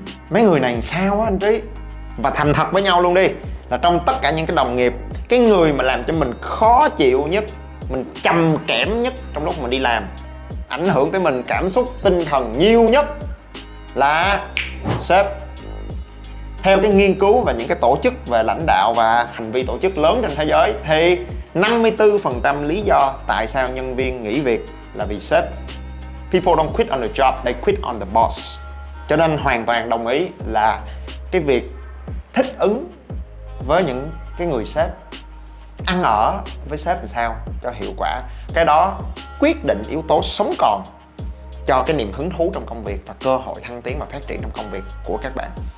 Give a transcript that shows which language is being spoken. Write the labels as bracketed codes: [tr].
[vi] Mấy người này sao á anh Trí? Và thành thật với nhau luôn đi, là trong tất cả những cái đồng nghiệp, cái người mà làm cho mình khó chịu nhất, mình trầm cảm nhất trong lúc mình đi làm, ảnh hưởng tới mình cảm xúc, tinh thần nhiều nhất là sếp. Theo cái nghiên cứu và những cái tổ chức về lãnh đạo và hành vi tổ chức lớn trên thế giới, thì 54% lý do tại sao nhân viên nghỉ việc là vì sếp. [en] People don't quit on the job, they quit on the boss. [vi] Cho nên hoàn toàn đồng ý là cái việc thích ứng với những cái người sếp, ăn ở với sếp làm sao cho hiệu quả, cái đó quyết định yếu tố sống còn cho cái niềm hứng thú trong công việc và cơ hội thăng tiến và phát triển trong công việc của các bạn.